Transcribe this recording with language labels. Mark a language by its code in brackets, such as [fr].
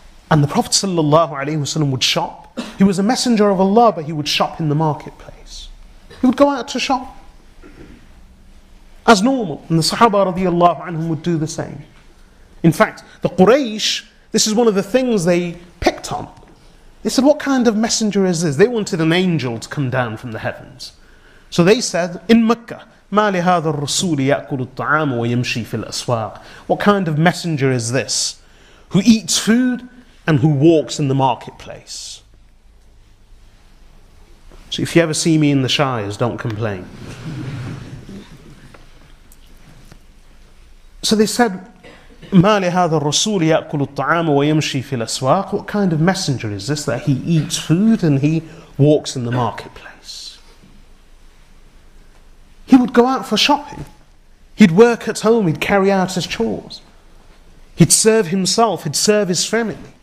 [en] And the Prophet sallallahu alaihi wasallam would shop. He was a messenger of Allah, but he would shop in the marketplace. He would go out to shop. As normal. And the Sahaba radiallahu anhum would do the same. In fact, the Quraysh, this is one of the things they picked on. They said, what kind of messenger is this? They wanted an angel to come down from the heavens. So they said, in Mecca, [ar] مَا لِهَذَا الرَّسُولِ يَأْكُلُ الطَّعَامُ وَيَمْشِي فِي الْأَسْوَاقِ. [en] What kind of messenger is this? Who eats food and who walks in the marketplace. So if you ever see me in the Shires, don't complain. So they said, [ar] مَا لِهَذَا الرَّسُولِ يَأْكُلُ الطَّعَامُ وَيَمْشِي فِي الْأَسْوَاقِ. [en] What kind of messenger is this that he eats food and he walks in the marketplace? He would go out for shopping. He'd work at home, he'd carry out his chores. He'd serve himself, he'd serve his family.